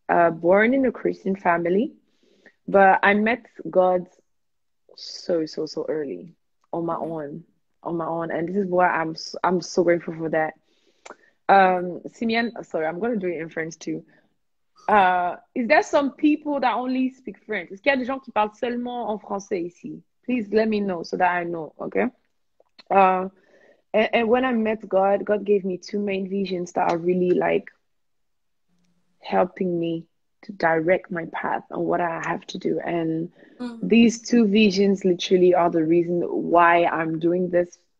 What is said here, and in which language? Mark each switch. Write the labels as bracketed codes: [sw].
[en] Born in a Christian family, but I met God so early on my own, and this is why I'm so grateful for that. Simiane, sorry, I'm gonna do it in French too. Is there some people that only speak French? [fr] Est-ce qu'il y a des gens qui parlent seulement en français ici? [en] Please let me know so that I know. Okay. And when I met God, God gave me two main visions that are really like helping me to direct my path on what I have to do. And these two visions literally are the reason why I'm doing this.